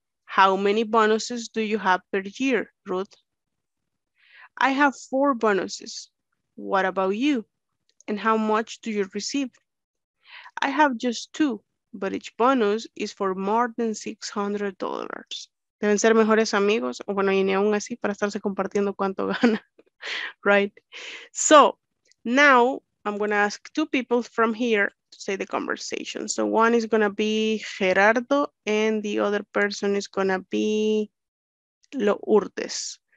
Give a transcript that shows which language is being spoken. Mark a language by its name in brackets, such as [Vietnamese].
[English] How many bonuses do you have per year, Ruth? I have 4 bonuses. What about you? And how much do you receive? I have just 2, but each bonus is for more than $600. [Spanish] Deben ser mejores amigos, o bueno, y ni aún así, para estarse compartiendo cuánto gana, right? [English] So, now I'm going to ask 2 people from here to say the conversation. So one is going to be Gerardo, and the other person is going to be Lourdes.